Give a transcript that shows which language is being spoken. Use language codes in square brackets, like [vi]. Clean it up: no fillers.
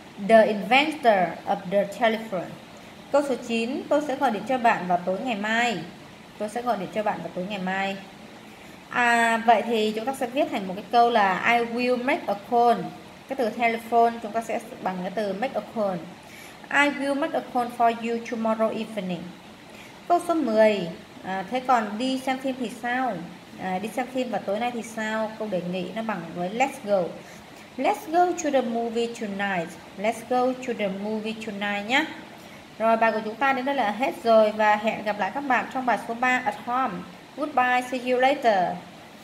[en] The inventor of the telephone. [vi] Câu số 9, tôi sẽ gọi điện cho bạn vào tối ngày mai. Tôi sẽ gọi điện cho bạn vào tối ngày mai. Vậy thì chúng ta sẽ viết thành một cái câu là [en] I will make a call. [vi] Cái từ telephone chúng ta sẽ bằng cái từ make a call. [en] I will make a call for you tomorrow evening. [vi] Câu số 10. Thế còn đi xem phim thì sao? Đi xem phim vào tối nay thì sao? Câu đề nghị nó bằng với [en] let's go. Let's go to the movie tonight. Let's go to the movie tonight [vi] nhé. Rồi bài của chúng ta đến đây là hết rồi. Và hẹn gặp lại các bạn trong bài số 3 [en] at home. Goodbye, see you later.